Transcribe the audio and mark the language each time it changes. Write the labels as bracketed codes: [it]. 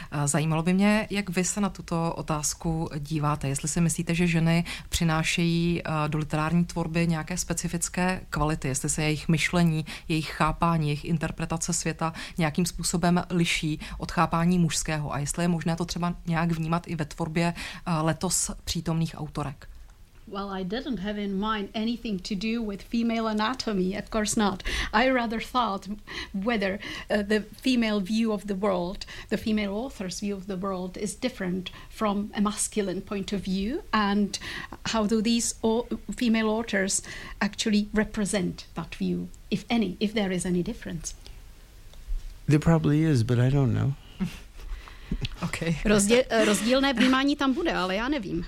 [cs] Zajímalo by mě, jak vy se na tuto otázku díváte, jestli si myslíte, že ženy přinášejí do literární tvorby nějaké specifické kvality, jestli se jejich myšlení, jejich chápání, jejich interpretace světa nějaký způsobem liší od chápání mužského a jestli je možné to třeba nějak vnímat i ve tvorbě letos přítomných autorek. [en] Well, I didn't have in mind anything to do with female anatomy, of course not. I rather thought whether the female view of the world, the female author's view of the world, is different from a masculine point of view, and how do these female authors actually represent that view, if any, if there is any difference. There probably is, but I don't know. Okay. [cs] Rozdílné vnímání tam bude, ale já nevím.